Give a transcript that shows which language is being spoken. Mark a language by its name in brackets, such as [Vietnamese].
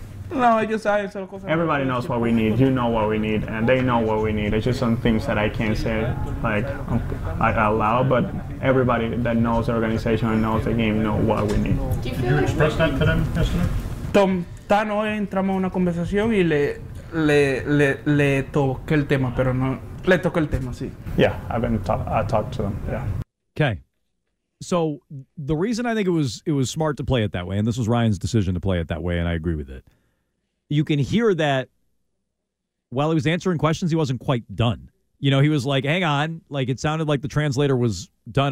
[English] No, I just said everybody knows what we need. You know what we need, and they know what we need. It's just some things that I can't say, like, out loud, but everybody that knows the organization and knows the game know what we need. Did you express that to them yesterday? [Spanish] Tan hoy entramos una conversación y le toqué el tema, pero no le toqué el tema, sí. [English] Yeah, I talked to them. Yeah. Okay. So the reason I think it was smart to play it that way, and this was Ryan's decision to play it that way, and I agree with it. You can hear that while he was answering questions, he wasn't quite done. You know, he was like, hang on. Like, it sounded like the translator was done.